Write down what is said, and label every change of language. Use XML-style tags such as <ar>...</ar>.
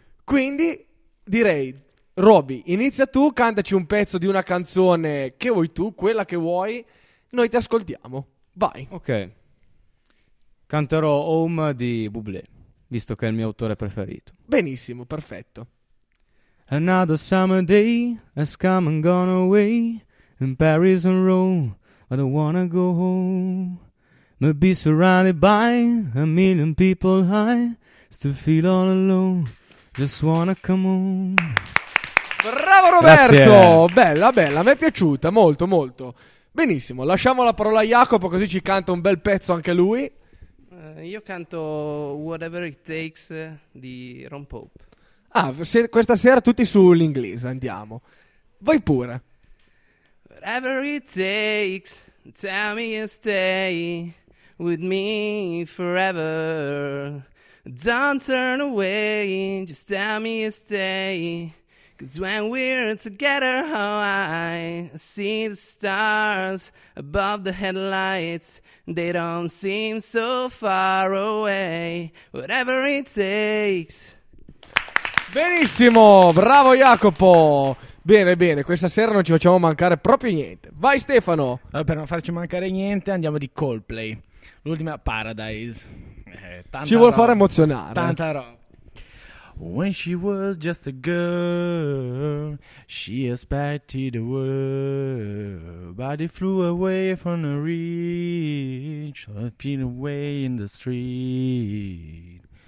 <it>Quindi direi, Roby, inizia tu, cantaci un pezzo di una canzone che vuoi tu, quella che vuoi, noi ti ascoltiamo. Vai. Ok. Canterò Home di Bublé, visto che è il mio autore preferito. Benissimo, perfetto.</it> <en>Another summer day has come and gone away in Paris and Rome. I don't wanna go home. Maybe surrounded by a million people high, still feel all alone, just wanna come home.</en> <it>Bravo Roberto! Grazie. Bella, bella, mi è piaciuta, molto, molto. Benissimo, lasciamo la parola a Jacopo così ci canta un bel pezzo anche lui. Io canto Whatever It Takes di Ron Pope. Ah, questa sera tutti sull'inglese, andiamo. Vai pure.</it> <en>Whatever it takes, tell me you stay with me forever. Don't turn away, just tell me you stay. Cause when we're together, oh, I see the stars above the headlights. They don't seem so far away. Whatever it takes.</en> <it>Benissimo, bravo Jacopo. Bene, bene, questa sera non ci facciamo mancare proprio niente. Vai Stefano. Allora, per non farci mancare niente andiamo di Coldplay. L'ultima Paradise. Tanta ci vuol far emozionare. Tanta roba.</it> <en>When she was just a girl, she expected the world, but it flew away from her reach, hopping away in the street.</en>